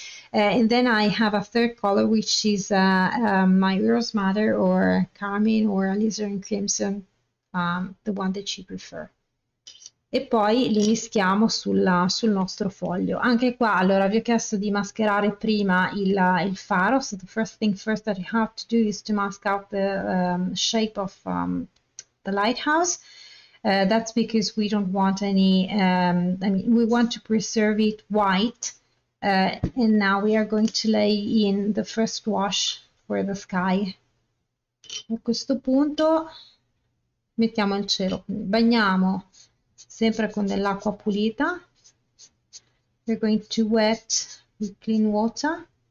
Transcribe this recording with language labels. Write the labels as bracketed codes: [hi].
[en] And then I have a third color, which is my rose madder or carmine or alizarin crimson, the one that you prefer. [it] E poi li mischiamo sul nostro foglio. Anche qua, allora, vi ho chiesto di mascherare prima il faro. [en] So the first thing first that you have to do is to mask out the shape of the lighthouse. That's because we don't want any, I mean, we want to preserve it white. And now we are going to lay in the first wash for the sky. [it] A questo punto mettiamo il cielo, bagniamo sempre con dell'acqua pulita. [en] We're going to wet with clean water.